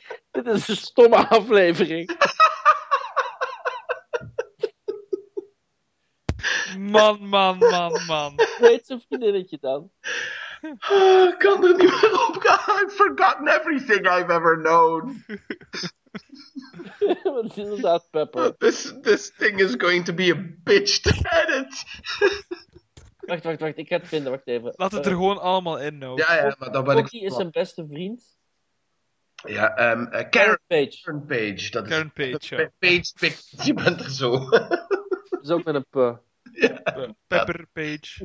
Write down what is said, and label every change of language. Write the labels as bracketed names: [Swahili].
[Dutch] Dit is een stomme aflevering. Man. Weet zijn vriendinnetje dan? Ik kan er niet meer op gaan. [English] I've forgotten everything I've ever known. [Dutch] Wat is inderdaad Pepper? [English] This thing is going to be a bitch to edit. [Dutch] Wacht, ik ga het vinden, wacht even. Laat het er gewoon allemaal in, nou. Ja, maar dan ben ik... Cookie is zijn beste vriend. Ja, Karen Page. Karen Page. Dat Karen Page, Page, je bent er zo. Dat is ook met een P. Pepper, ja. Page.